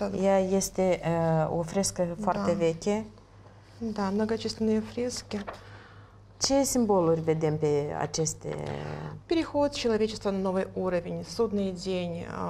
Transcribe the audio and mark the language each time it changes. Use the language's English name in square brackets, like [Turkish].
[Romanian] Ea este o frescă foarte veche. [Russian] Da, многочисленные фрески. [Romanian] Ce simboluri vedem pe aceste? [Russian] Переход человечества на новый уровень, судный день.